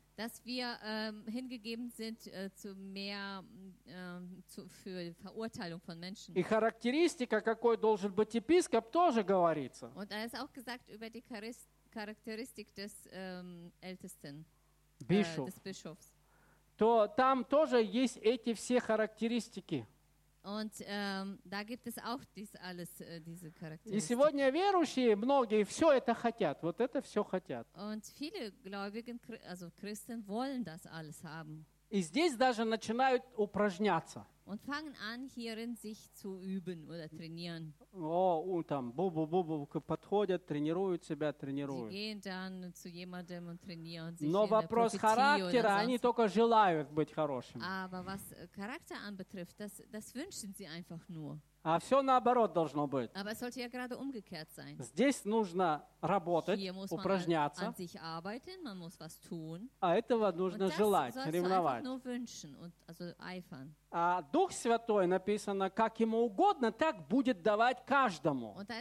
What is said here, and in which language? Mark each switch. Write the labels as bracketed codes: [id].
[de] Dass wir hingegeben sind zu mehr für Verurteilung von Menschen. [ru] И характеристика, какой должен быть епископ, тоже говорится. [de] Und da ist auch gesagt über die Charakteristik des Ältesten, des Bischofs. [ru] То там тоже есть эти все характеристики. [de] Und da gibt es auch dies alles, diese [ru] Charakteristik. И сегодня верующие, многие, все это хотят. Вот это все хотят. [de] Und viele Gläubigen, also Christen, wollen das alles haben. [ru] И здесь даже начинают упражняться. [de] Und fangen an, hierin sich zu üben oder trainieren. [ru] О, там, бу-бу-бу-бу, подходят, тренируют себя, тренируют. [de] Sie gehen dann zu jemandem und trainieren sich. [ru] Но вопрос характера, они только желают быть хорошими. [de] Aber was Charakter anbetrifft, das wünschen sie einfach nur. [ru] А все наоборот должно быть. [de] Aber es sollte ja gerade umgekehrt sein. [ru] Здесь нужно работать, [de] hier muss [ru] упражняться. [de] Man an sich arbeiten, man muss was tun. [ru] А этого нужно [de] und [ru] желать, ревновать. [de] Nur wünschen und, also eifern. [ru] А Дух Святой написано, как ему угодно, так будет давать каждому.